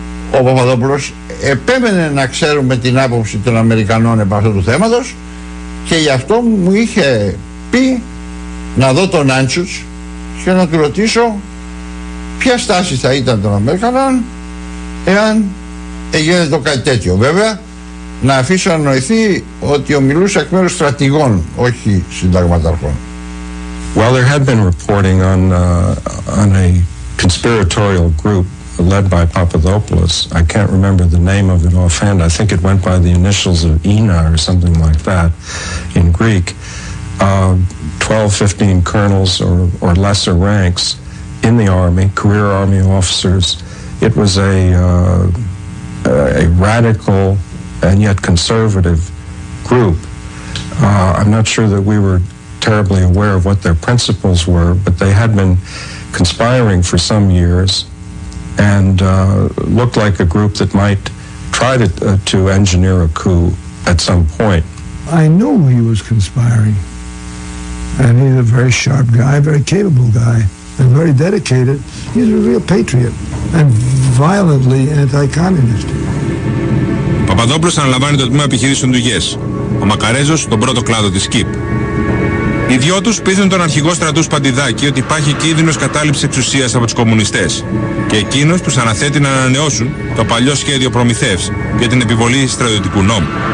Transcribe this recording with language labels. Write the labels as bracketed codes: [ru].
[el] Ο Παπαδόπουλος επέμενε να ξέρουμε την άποψη των Αμερικανών επ' αυτού του θέματος και γι' αυτό μου είχε πει να δω τον Άντσουτς και να του ρωτήσω ποια στάση θα ήταν των Αμερικανών εάν έγινε το κάτι τέτοιο. Βέβαια, να αφήσω να νοηθεί ότι ομιλούσε εκ μέρους στρατηγών, όχι συνταγματαρχών. [en] Well, there had been reporting on a conspiratorial group led by Papadopoulos. I can't remember the name of it offhand. I think it went by the initials of Ina or something like that in Greek. 12-15 colonels or lesser ranks in the army, career army officers. It was a radical and yet conservative group. I'm not sure that we were terribly aware of what their principles were, but they had been conspiring for some years and looked like a group that might try to engineer a coup at some point. I knew he was conspiring. And he's a very sharp guy, very capable guy, and very dedicated. He's a real patriot and violently anti-communist. [el] Παπαδόπουλος αναλαμβάνει το τμήμα επιχειρήσεων του ΓΕΣ. Ο Μακαρέζος τον πρώτο κλάδο της ΚΙΠ. Οι δυο τους πείθουν τον αρχηγό στρατού Σπαντιδάκη ότι υπάρχει κίνδυνος κατάληψης εξουσίας από τους κομμουνιστές. Και εκείνος τους αναθέτει να ανανεώσουν το παλιό σχέδιο Προμηθεύς για την επιβολή στρατιωτικού νόμου.